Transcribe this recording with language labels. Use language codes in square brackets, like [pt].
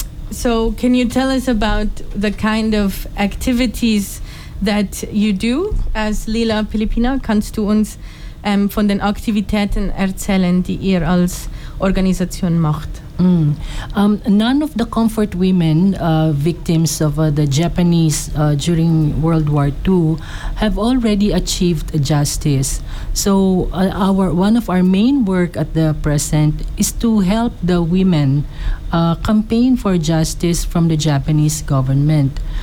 [en] So, can you tell us about the kind of activities that you do as Lila Pilipina? [de] Kannst du uns von den Aktivitäten erzählen, die ihr als Organisation macht? Mm. [en] None of the comfort women victims of the Japanese during World War II have already achieved justice. So one of our main work at the present is to help the women campaign for justice from the Japanese government.